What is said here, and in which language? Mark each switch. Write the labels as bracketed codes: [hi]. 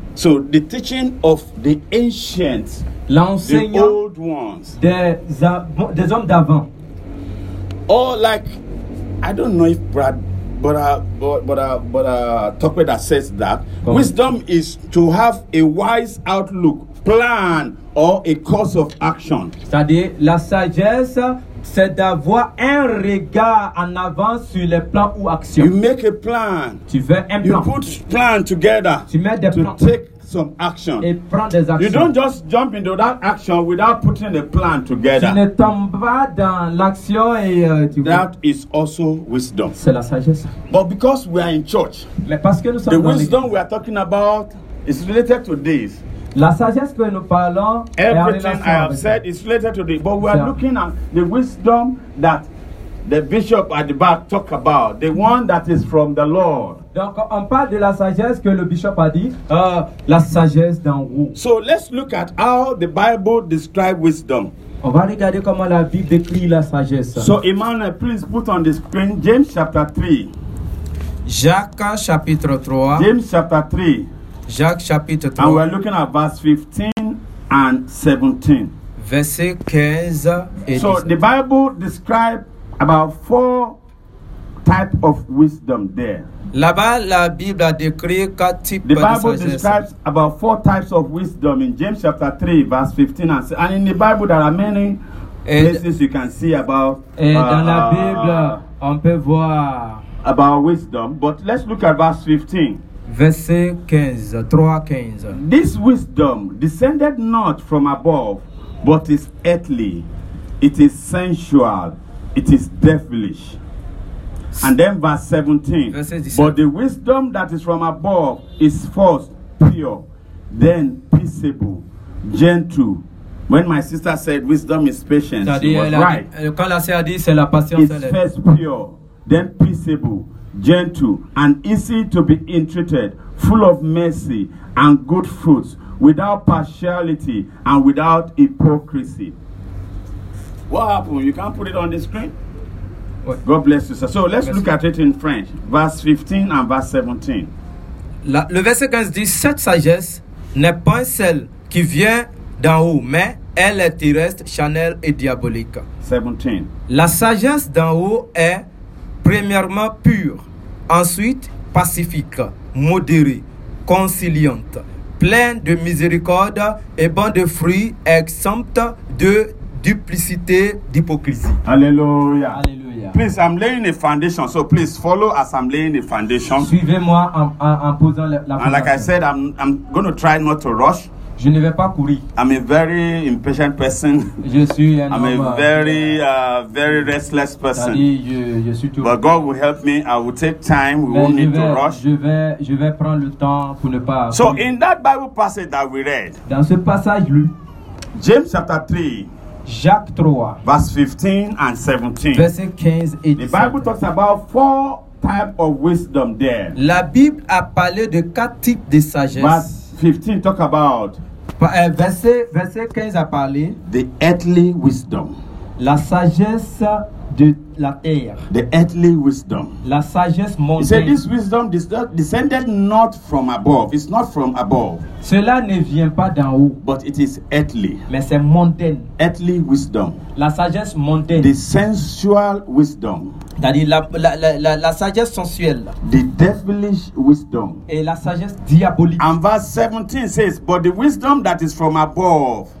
[en] So the teaching of the ancients, the old ones, [fr] des hommes d'avant. [en] Or like, I don't know if Tokweda says that comme wisdom is to have a wise outlook, plan, or a course of action. [fr] C'est-à-dire la sagesse, c'est d'avoir un regard en avant sur les plans ou actions. [en] You make a plan. [fr] Tu fais un plan. [en] You put plan together. [fr] Tu mets des [en] to [fr] plans. [en] Take some action. [fr] Et prends des actions. [en] You don't just jump into that action without putting a plan together. [fr] Tu ne tombes pas dans l'action et tu [en] that vois. Is also wisdom. [fr] C'est la sagesse. [en] But because we are in church, [fr] mais parce que nous [en] the wisdom we are talking about is related to this. [fr] La sagesse que nous parlons [en] everything I have said [fr] ça. [en] Is related to this. But we are looking at the wisdom that the bishop at the back talk about, the one that is from the Lord. [fr] Donc on parle de la sagesse que le bishop a dit, la sagesse d'en haut. [en] So let's look at how the Bible describes wisdom. [fr] On va regarder comment la Bible décrit la sagesse. [en] So Emmanuel, please put on the screen James chapter 3. [fr] Jacques chapitre 3. [en] James chapter 3. [fr] Jacques chapitre 3. [en] And we're looking at verse 15 and 17. [fr] Verset 15 et [en] so [fr] 17. [en] The Bible describes about four types of wisdom there. [fr] Là-bas, la Bible a décrit quatre types de sagesse. [en] The Bible describes about four types of wisdom in James chapter 3, verse 15 and 17. And in the Bible, there are many et places you can see about. [fr] Et dans la Bible, on peut voir [en] about wisdom. But let's look at verse 15. [fr] Verset 15, 3:15. [en] This wisdom descended not from above, but is earthly. It is sensual. It is devilish. And then verse 17. But the wisdom that is from above is first pure, then peaceable, gentle. When my sister said wisdom is patience, she was right. It's first pure, then peaceable, gentle, and easy to be entreated, full of mercy and good fruits, without partiality and without hypocrisy. What happened? You can't put it on the screen? God bless you, sir. So let's look at it in French. Verse 15 and verse 17. [fr] Le verset 15 dit, cette sagesse n'est point celle qui vient d'en haut, mais elle est terrestre, charnelle et diabolique. 17. La sagesse d'en haut est premièrement pure, ensuite pacifique, modérée, conciliante, pleine de miséricorde et bon de fruits, exempte de duplicité, d'hypocrisie. Alléluia. Alléluia. [en] Please, I'm laying a foundation, so please follow as I'm laying a foundation. [fr] Suivez-moi en posant la foundation. [en] And like I said, I'm going to try not to rush. [fr] Je ne vais pas courir. [en] I'm a very impatient person. [fr] Je suis un homme. [en] I'm a very very restless person. [fr] Je suis tout. [en] But God will help me. I will take time. We [fr] mais [en] won't need to rush. [fr] Je vais prendre le temps pour ne pas. [en] So courir. In that Bible passage that we read. [fr] Dans ce passage lu. [en] James chapter 3. [fr] Jacques 3. [en] Verse 15 and 17. [fr] Verset 15 et 17. [en] The Bible talks about four types of wisdom there. [fr] La Bible a parlé de quatre types de sagesse. [en] Verse 15 talk about [fr] Verset 15 a parlé. [en] The earthly wisdom. [fr] La sagesse de la terre. [en] The earthly wisdom. [fr] La sagesse mondaine. [en] He said this wisdom descended not from above. It's not from above. [fr] Cela ne vient pas d'en haut. [en] But it is earthly. [fr] Mais c'est mondaine. [en] Earthly wisdom. [fr] La sagesse mondaine. [en] The sensual wisdom. [fr] C'est-à-dire la sagesse sensuelle. [en] The devilish wisdom. [fr] Et la sagesse diabolique. [en] And verse 17 says, but the wisdom that is from above.